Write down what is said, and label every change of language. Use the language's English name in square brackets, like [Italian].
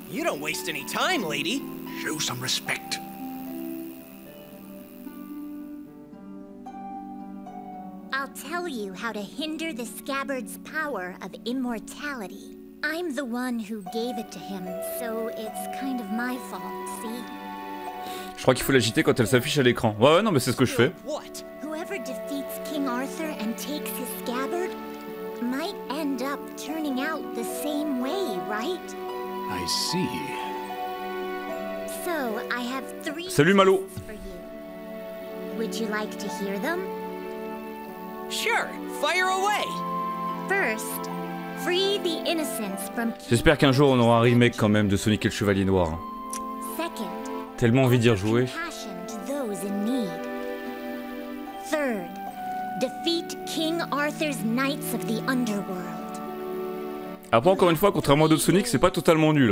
[English] You don't waste any time, lady. Show some respect. I'll tell you how to hinder the Scabbard's power of immortality. I'm the one who gave it to him, so it's kind of my fault, see? [French] Je crois qu'il faut l'agiter quand elle s'affiche à l'écran. Ouais, ouais, non, mais c'est ce que je fais. [English] Whoever defeats King Arthur and takes his scabbard might end up turning out the same way, right? I see. So, I have three. [French] Salut Malo. [English] Would you like to hear them? Sure, fire away. First, free the innocents from. [French] J'espère qu'un jour on aura un remake quand même de Sonic et le Chevalier Noir. Tellement envie d'y rejouer. [English] Third, defeat King Arthur's Knights of the Underworld. [French] Après, encore une fois, contrairement à d'autres Sonic, c'est pas totalement nul.